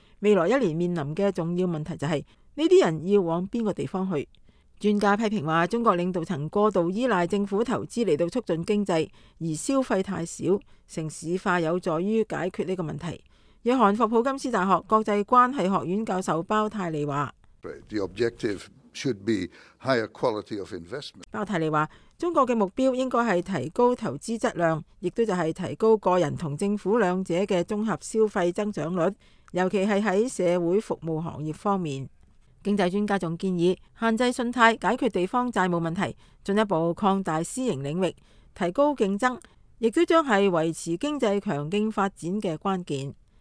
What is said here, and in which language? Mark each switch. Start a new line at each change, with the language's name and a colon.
Chinese: 未来一年面临的重要问题就是，这些人要往哪个地方去？专家批评说，中国领导层过度依赖政府投资来促进经济，而消费太少，城市化有助于解决这个问题。约翰霍普金斯大学国际关系学院教授包泰利说，
English: The objective should be higher quality of investment。
Chinese: 包泰利说，中国的目标应该是提高投资质量，亦都就是提高个人和政府两者的综合消费增长率，尤其是在社会服务行业方面。经济专家还建议，限制信贷，解决地方债务问题，进一步扩大私营领域，提高竞争，亦都将是维持经济强劲发展的关键。